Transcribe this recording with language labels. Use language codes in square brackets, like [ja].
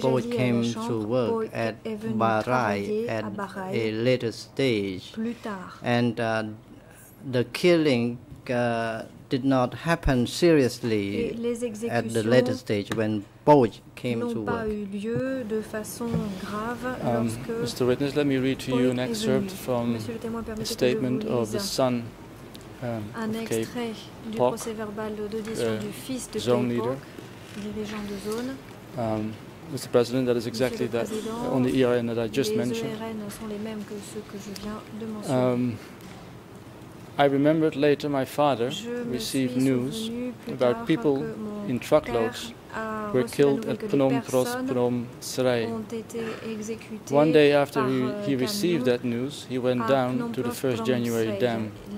[en] Poet came to work at Barai at a later stage, and the killing did not happen seriously at the later stage when Poet came to work. Mr. Witness, let me read to you an excerpt from a statement of the son. [fr] Un extrait du procès-verbal d'audition du fils de Kay Pauk, dirigeant de zone. [en] Mr. President, that is exactly that on the ERN that I just mentioned. [fr] Les ERN sont les mêmes que ceux que je viens de mentionner. [en] I remembered later my father received news about people in truckloads were killed at Phnom Srey. One day after he received that news, he went down to the 1st January dam.